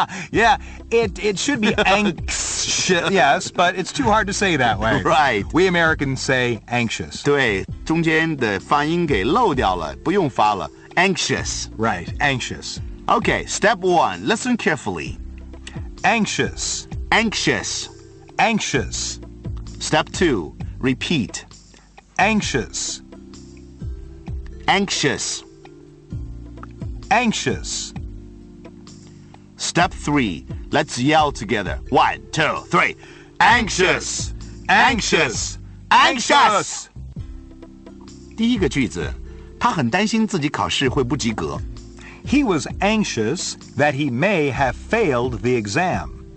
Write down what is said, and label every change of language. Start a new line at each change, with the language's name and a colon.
English: Yeah, it should be anxious, yes, but it's too hard to say that way. Right. We Americans say anxious.
Chinese: 对，中间的发音给漏掉了，不用发了。
English: Anxious. Right, anxious. Okay, step one, listen carefully. Anxious. Anxious. Anxious. Step two, repeat. Anxious. Anxious. Anxious. Step three, let's yell together. One, two, three. Anxious. Anxious. Anxious.
Chinese: 第一个句子，他很担心自己考试会不及格。
English: He was anxious that he may have failed the exam.